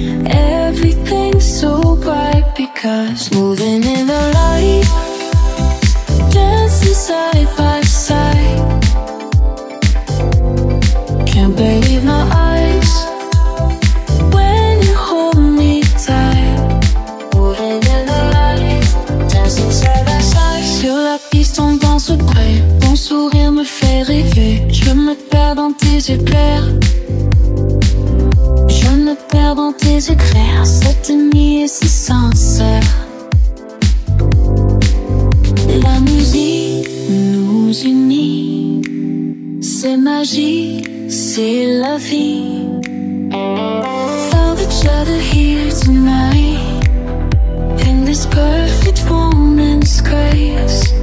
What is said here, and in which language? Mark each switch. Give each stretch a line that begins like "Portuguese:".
English: Everything's so bright because moving in the light. Dancing side by side. Can't believe my eyes when you hold me tight. Moving in the light. Dancing side by side.
French: Sur la piste on danse près. Ton sourire me fait rêver. Je me perds dans tes éclairs. Je me perds dans tes éclairs. Cette nuit est si sincère. La musique nous unit. C'est magique, c'est la vie.
English: Found each other here tonight. In this perfect woman's grace.